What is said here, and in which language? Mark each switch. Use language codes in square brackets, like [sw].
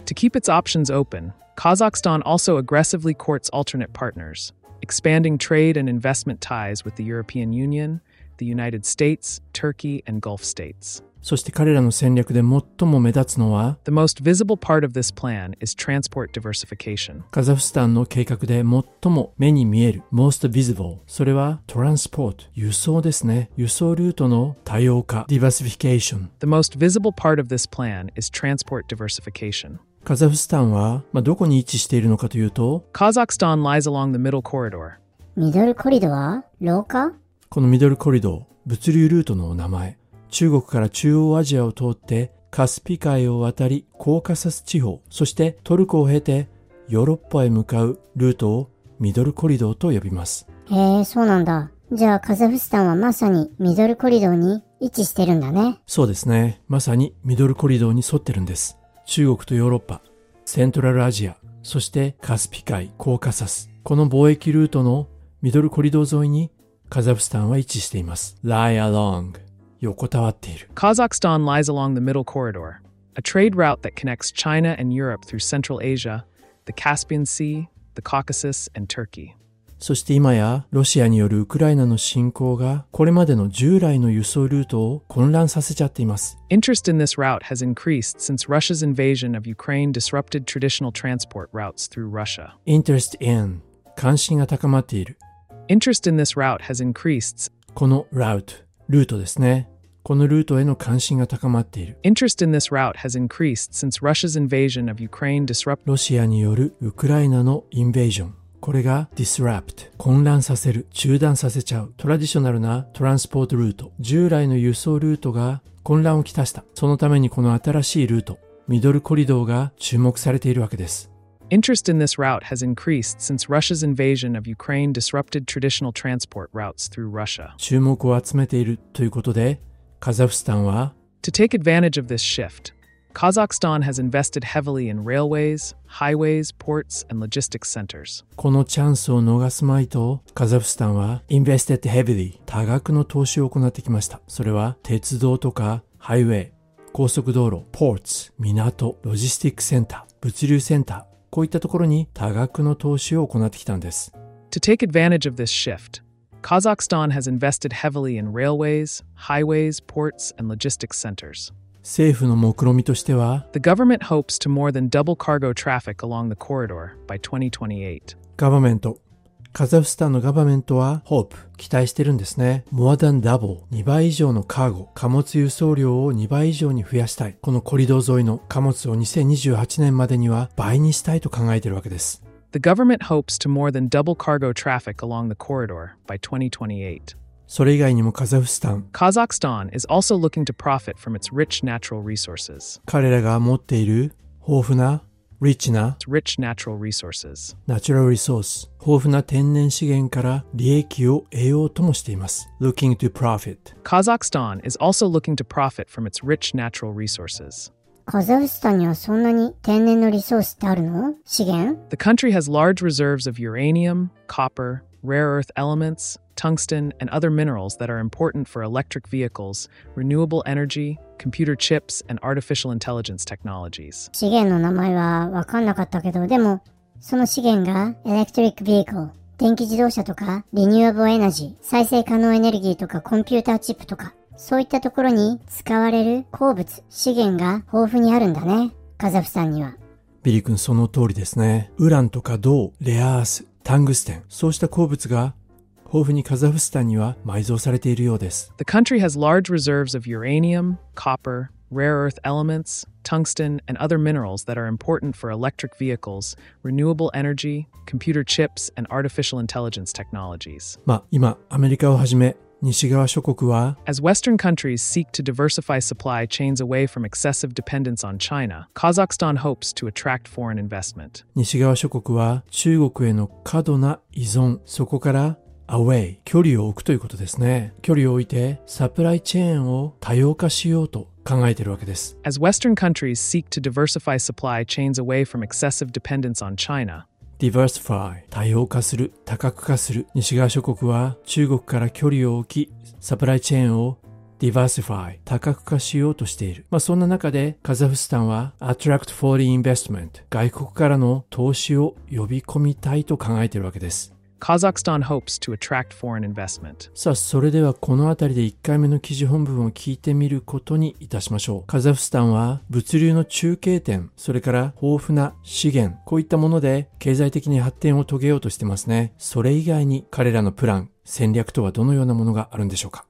[en] To keep its options open, Kazakhstan also aggressively courts alternate partners, expanding trade and investment ties with the European Union, the United States, Turkey, and Gulf states. [ja] そして彼らの戦略で最も目立つのは [en] The most visible part of this plan is transport diversification. [ja] カザフスタンの計画で最も目に見える [en] Most visible [ja] それは transport 輸送ですね輸送ルートの多様化 Diversification [en] The most visible part of this plan is transport diversification. [ja] カザフスタンは、まあ、どこに位置しているのかというと [en] Kazakhstan lies along the middle corridor. [ja] ミドルコリドは廊下このミドルコリド物流ルートの名前中国から中央アジアを通ってカスピ海を渡りコーカサス地方そしてトルコを経てヨーロッパへ向かうルートをミドルコリドーと呼びますへえそうなんだじゃあカザフスタンはまさにミドルコリドーに位置してるんだねそうですねまさにミドルコリドーに沿ってるんです中国とヨーロッパセントラルアジアそしてカスピ海コーカサスこの貿易ルートのミドルコリドー沿いにカザフスタンは位置しています [en] Lie along Kazakhstan lies along the Middle Corridor, a trade route that connects China and Europe through Central Asia, the Caspian Sea, the Caucasus, and Turkey. [ja] そして今やロシアによるウクライナの侵攻がこれまでの従来の輸送ルートを混乱させちゃっています。 [en] Interest in this route has increased since Russia's invasion of Ukraine disrupted traditional transport routes through Russia. Interest in [ja] 関心が高まっている。 [en] Interest in this route has increased. [ja] このroute。ルートですね。このルートへの関心が高まっている。 [en] Interest in this route has increased since Russia's invasion of Ukraine disrupted [ja] ロシアによるウクライナのインベージョン。これが disrupt 混乱させる中断させちゃうトラディショナルなトランスポートルート従来の輸送ルートが混乱をきたしたそのためにこの新しいルートミドルコリドーが注目されているわけです [en] Interest in this route has increased since Russia's invasion of Ukraine disrupted traditional transport routes through Russia [ja] 注目を集めているということでカザフスタンは [en] To take advantage of this shift Kazakhstan has invested heavily in railways, highways, ports, and logistics centers. [ja] このチャンスを逃すまいと、カザフスタンは [en] invested heavily [ja] 多額の投資を行ってきました。それは鉄道とかハイウェイ、高速道路、ports、港、ロジスティックセンター、物流センター、こういったところに多額の投資を行ってきたんです。 [en] To take advantage of this shift,Kazakhstan has invested heavily in railways, highways, ports, and logistics centers. [ja] 政府の目論みとしては [en] The government hopes to more than double cargo traffic along the corridor by 2028. [ja] Government, [en] Kazakhstan's government [ja] は hope, 期待してるんですね。 [en] More than double, [ja] 2倍以上のカーゴ、貨物輸送量を2倍以上に増やしたい。このコリドー沿いの貨物を2028年までには倍にしたいと考えてるわけです。 [en] The government hopes to more than double cargo traffic along the corridor by 2028. [ja] それ以外にもカザフスタン [en] Kazakhstan is also looking to profit from its rich natural resources. [ja] 彼らが持っている豊富な rich な [en] rich natural resources. Natural resource [ja] 豊富な天然資源から利益を得ようともしています [en] Looking to profit. Kazakhstan is also looking to profit from its rich natural resources. [ja] カザフスタンにはそんなに天然のリソースってあるの? 資源? [en] The country has large reserves of uranium, copper, rare earth elements, tungsten, and other minerals that are important for electric vehicles, renewable energy, computer chips, and artificial intelligence technologies. [ja] 資源の名前は分かんなかったけど、でもその資源が [en] electric vehicle、 [ja] 電気自動車とか [en] renewable energy、 [ja] 再生可能エネルギーとかコンピューターチップとか、そういったところに使われる鉱物、資源が豊富にあるんだね、カザフスタンには。ビリ君、その通りですね。ウランとか銅、レアアース、タングステン、そうした鉱物が豊富にカザフスタンには埋蔵されているようです。 [en] The country has large reserves of uranium, copper, rare earth elements, tungsten, and other minerals that are important for electric vehicles, renewable energy, computer chips, and artificial intelligence technologies. [ja] まあ、今、アメリカをはじめ、西側諸国は [en] As Western countries seek to diversify supply chains away from excessive dependence on China, Kazakhstan hopes to attract foreign investment. [ja] 西側諸国は中国への過度な依存、そこから away、距離を置くということですね。距離を置いてサプライチェーンを多様化しようと考えているわけです。 [en] As Western countries seek to diversify supply chains away from excessive dependence on China, [ja] Diversify 多様化する多角化する西側諸国は中国から距離を置きサプライチェーンを Diversify 多角化しようとしている、まあ、そんな中でカザフスタンは [en] Attract foreign investment [ja] 外国からの投資を呼び込みたいと考えているわけです [en] Kazakhstan hopes to attract foreign investment. [ja] さあそれではこのあたりで1回目の記事本文を聞いてみることにいたしましょう。カザフスタンは物流の中継点、それから豊富な資源、こういったもので経済的に発展を遂げようとしてますね。それ以外に彼らのプラン、戦略とはどのようなものがあるんでしょうか。